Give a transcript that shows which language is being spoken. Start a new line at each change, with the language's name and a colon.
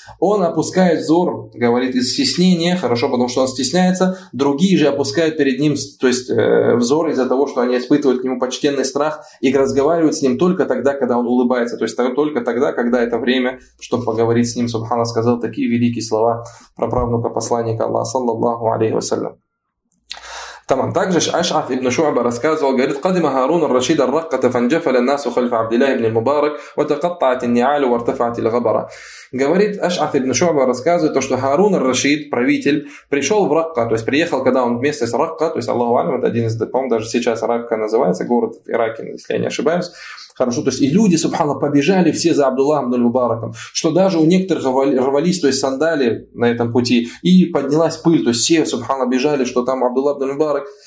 Russian: Он опускает взор, говорит, из стеснения, хорошо, потому что он стесняется, другие же опускают перед ним, то есть, взор из-за того, что они испытывают к нему почтенный страх и разговаривают с ним только тогда, когда он улыбается, то есть только тогда, когда это время, чтобы поговорить с ним, субханаллах, сказал такие великие слова про правнука посланника Аллаха, саллаллаху алейхи вассалям. Тамам. Также Аш'аф ибн Шу'аба рассказывал, говорит,
Arabic: قَدِمَ هَارُونَ الرَّشِيدَ الرَّقَّةَ فَنْجَفَلَ النَّاسُ خَلْفَ عَبْدِ اللَّهِ بْنِ الْمُبَارَكِ وَتَقَطَّعَتِ النِّعَالُ وَارْتَفَعَتِ الْغَبَرَةِ.
Russian: Говорит, Аш'аф ибн Шу'аба рассказывает то, что Харун ар-Рашид, правитель, пришел в Ракка, то есть приехал, когда он в местность Ракка, то есть Аллаху алям, это один из, по-моему, даже сейчас Ракка называется, город в Ираке, если я не ошибаюсь. Хорошо, то есть и люди, субханаллах, побежали все за Абдуллахом Нуль-Мубараком, что даже у некоторых рвались, то есть сандали на этом пути, и поднялась пыль, то есть все, субханаллах, бежали, что там Абдуллах Нуль-Мубарак.